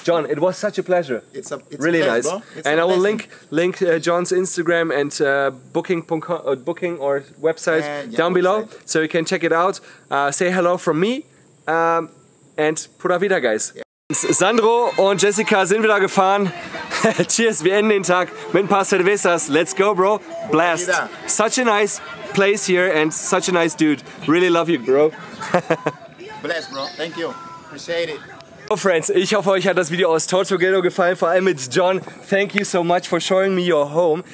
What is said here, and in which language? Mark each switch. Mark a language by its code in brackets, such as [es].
[en] John, it was such a pleasure. It's really pleasure, nice. Bro. It's and I will link John's Instagram and booking or website down below, website. So you can check it out. Say hello from me and pura vida, guys. [de] Yeah. Sandro und Jessica sind wieder gefahren. Cheers, wir enden den Tag mit ein paar Cervezas. [en] Let's go, bro. Blast. Such a nice place here and such a nice dude. Really love you, bro. Bless, bro. Thank you. Appreciate it. [de] So, friends, ich hoffe, euch hat das Video aus Tortuguero gefallen, vor allem mit John. [en] Thank you so much for showing me your home.